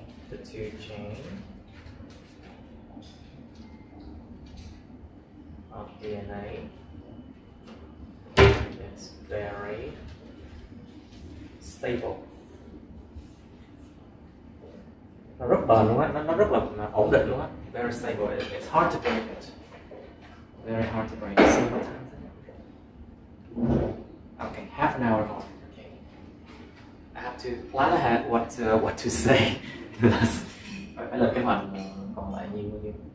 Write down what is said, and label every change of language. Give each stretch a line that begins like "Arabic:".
English: The two chains of DNA is very stable.
Vietnamese: Nó rất bền luôn á, nó rất là ổn định luôn á.
English: Very stable, it's hard to break it. Very hard to break. See what time is it? Okay, half an hour more. Okay. I have to plan ahead what to say.
Vietnamese: Phải lập kế hoạch còn lại nhiều bao nhiêu.